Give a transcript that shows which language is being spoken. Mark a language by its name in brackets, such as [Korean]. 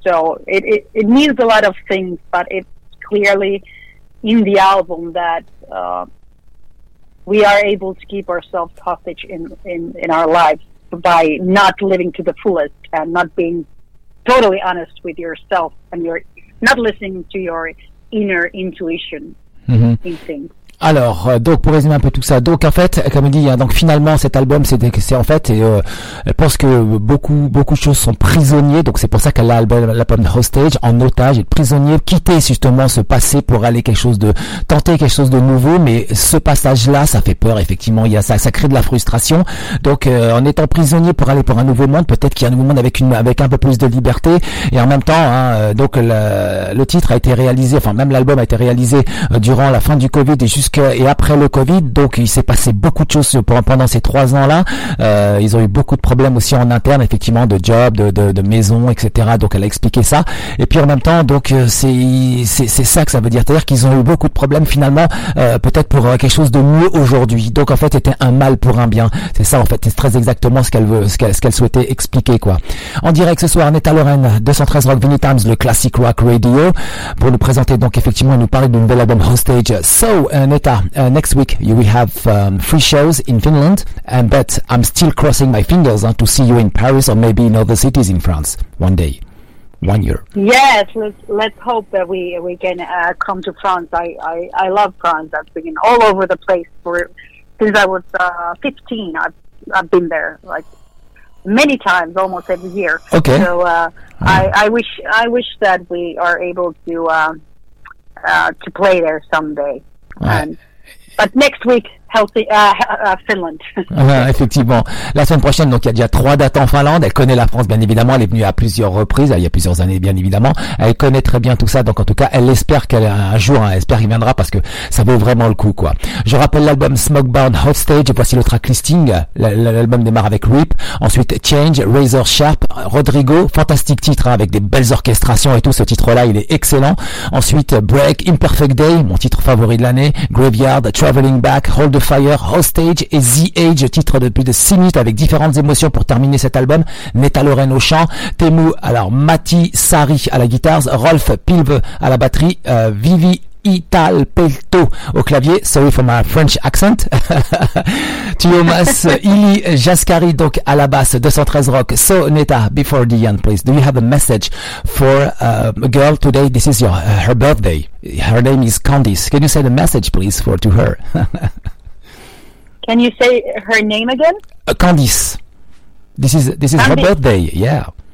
[English] So it means a lot of things, but it's clearly in the album that we are able to keep ourselves hostage in our lives by not living to the fullest and not being totally honest with yourself, and you're not listening to your inner intuition mm-hmm. in things. [French] Alors, donc pour résumer un peu tout ça, donc en fait, comme il dit, hein, donc finalement cet album, c'est en fait, et je pense que beaucoup de choses sont prisonniers, donc c'est pour ça qu'elle a l'album Hostage, en otage, être prisonnier, quitter justement ce passé pour aller tenter quelque chose de nouveau, mais ce passage-là, ça fait peur, effectivement, ça crée de la frustration, donc en étant prisonnier pour aller pour un nouveau monde, peut-être qu'il y a un nouveau monde avec un peu plus de liberté, et en même temps, hein, donc le titre a été réalisé, enfin même l'album a été réalisé durant la fin du Covid, et après le Covid, donc il s'est passé beaucoup de choses pendant ces 3 ans-là. Ils ont eu beaucoup de problèmes aussi en interne, effectivement, de job, de maison, etc. Donc elle a expliqué ça. Et puis en même temps, donc c'est ça que ça veut dire. C'est-à-dire qu'ils ont eu beaucoup de problèmes finalement, peut-être pour quelque chose de mieux aujourd'hui. Donc en fait, c'était un mal pour un bien. C'est ça en fait. C'est très exactement ce qu'elle souhaitait expliquer, quoi. En direct ce soir, Netta Loren, 213 Rock Vinnie Times, le Classic Rock Radio, pour nous présenter donc effectivement et nous parler d'une belle album Hostage. [English] So Netta, next week you will have free shows in Finland, but I'm still crossing my fingers to see you in Paris or maybe in other cities in France one day, 1 year. Yes, let's hope that we can come to France. I love France. I've been all over the place since I was 15. I've been there like many times, almost every year. Okay. So I wish that we are able to play there someday. Right. But next week Finland. [French] Effectivement. La semaine prochaine, donc il y a déjà 3 dates en Finlande. Elle connaît la France, bien évidemment. Elle est venue à plusieurs reprises, il y a plusieurs années, bien évidemment. Elle connaît très bien tout ça. Donc en tout cas, elle espère qu'elle un jour, elle espère qu'il viendra parce que ça vaut vraiment le coup, quoi. Je rappelle l'album Smokebound Hostage. Voici le track listing. L'album démarre avec Rip. Ensuite, Change, Razor Sharp, Rodrigo. Fantastique titre hein, avec des belles orchestrations et tout. Ce titre-là, il est excellent. Ensuite, Break, Imperfect Day, mon titre favori de l'année. Graveyard, Traveling Back, Hold the Fire, Hostage et The Age, titre de plus de 6 minutes avec différentes émotions pour terminer cet album. Neta Lorraine au chant, Temu, alors Matti Sari à la guitare, Rolf Pilve à la batterie, Vivi Ital Pelto au clavier, [English] sorry for my French accent, [French] Thomas Ili Jaskari donc à la basse, 213 Rock. [English] So Neta, before the end please, do you have a message for a girl today? This is your her birthday. Her name is Candice. Can you say the message please for to her? Can you say her name again? Candice. This is Candice. Her birthday, yeah.